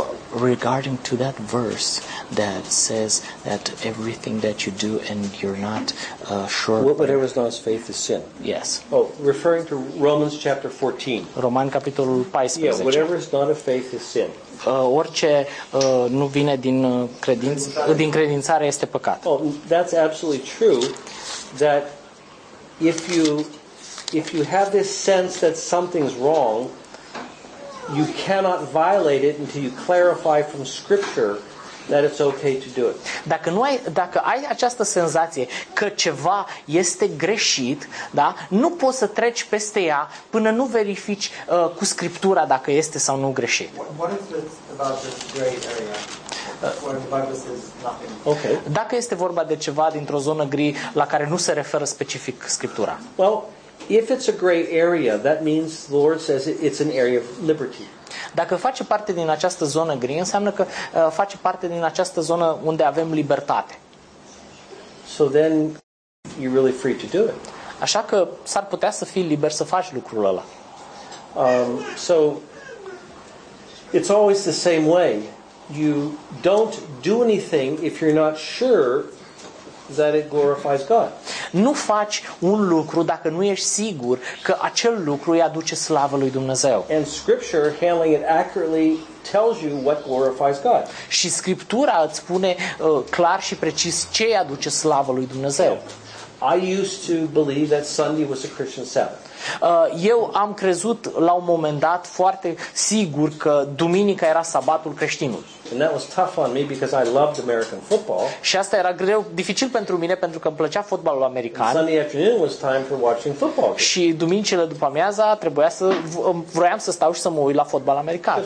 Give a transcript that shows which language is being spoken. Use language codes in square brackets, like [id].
[en] Regarding to that verse that says that everything that you do and you're not sure. Well, whatever is not faith is sin. Yes. Oh, referring to Romans chapter 14. [ro] Roman capitolul 14. [en] Yeah, whatever is not of faith is sin. [ro] Orice nu vine din credințare este păcat. [en] Oh, that's absolutely true. That if you have this sense that something's wrong, you cannot violate it until you clarify from scripture that it's okay to do it. [ro] Dacă ai această senzație că ceva este greșit, da, nu poți să treci peste ea până nu verifici cu Scriptura dacă este sau nu greșit. [en] What is it about this gray area? Okay. [ro] Dacă este vorba de ceva dintr-o zonă gri la care nu se referă specific Scriptura. [en] Well, if it's a gray area, that means the Lord says it's an area of liberty. [ro] Dacă face parte din această zonă gri, înseamnă că face parte din această zonă unde avem libertate. [en] So then you're really free to do it. [ro] Așa că s-ar putea să fii liber să faci lucrul ăla. [en] So it's always the same way. You don't do anything if you're not sure that it glorifies God. [ro] Nu faci un lucru dacă nu ești sigur că acel lucru îi aduce slavă lui Dumnezeu. [en] And scripture handling it accurately tells you what glorifies God. [ro] Și scriptura îți spune clar și precis ce îi aduce slavă lui Dumnezeu. [en] I used to believe that Sunday was a Christian Sabbath. [ro] Eu am crezut la un moment dat foarte sigur că duminica era sabatul creștinului. [en] And that was tough on me because I loved American football. [ro] Și asta era greu, dificil pentru mine pentru că îmi plăcea fotbalul american. [en] Sunday afternoon was time for watching football. [ro] Și duminicile după-amiaza trebuia să vroiam să stau și să mă uit la fotbal american.